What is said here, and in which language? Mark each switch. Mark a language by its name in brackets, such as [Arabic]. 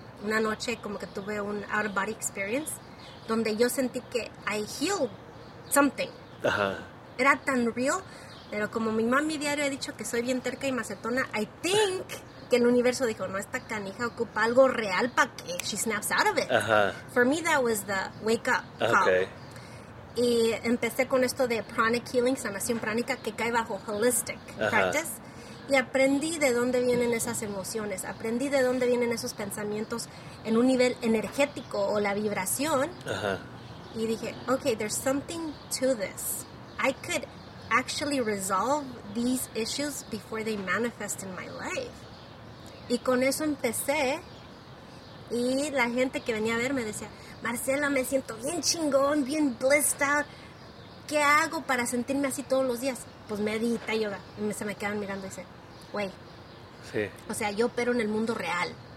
[Spanish] Una noche como que tuve un [English] out of body experience, [Spanish] donde yo sentí que [English] I healed something. Uh-huh. [Spanish] Era tan real, pero como mi mami diario ha dicho que soy bien terca y macetona, [English] I think [Spanish] que el universo dijo, no, esta canija ocupa algo real para que [English] she snaps out of it. Uh-huh. For me, that was the wake up call. Okay. [Spanish] Y empecé con esto de pranic healing, sanación pránica, que cae bajo holistic, uh-huh, practice. Y aprendí de dónde vienen esas emociones, aprendí de dónde vienen esos pensamientos en un nivel energético o la vibración. Ajá. Uh-huh. Y dije, [English] okay, there's something to this. I could actually resolve these issues before they manifest in my life. [Spanish] Y con eso empecé. Y la gente que venía a verme decía, Marcela, me siento bien chingón, bien [English] blessed out. [Spanish] ¿Qué hago para sentirme así todos los días? Pues medita, yoga. Y se me quedan mirando y dicen, güey. Sí. O sea, yo opero en el mundo real.